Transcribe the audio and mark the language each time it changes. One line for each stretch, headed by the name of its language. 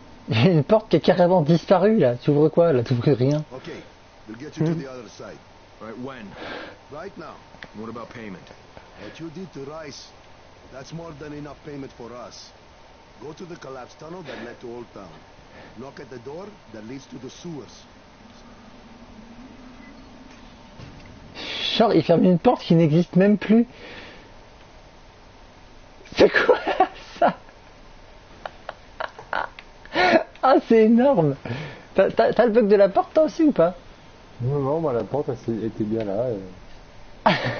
French: Il y a une porte qui est carrément disparue là. Tu ouvres quoi là? Tu ouvres rien.
English: Okay, we'll get you to the other side. Right when? Right now. What about payment? What you did to Rice, that's more than enough payment for us. Go to the collapsed tunnel that led to Old Town. Knock at the door that leads to the sewers.
French: Genre, il ferme une porte qui n'existe même plus. C'est quoi ça? Ah, c'est énorme. T'as le bug de la porte toi aussi ou pas? Non, non, bah, la porte était bien là.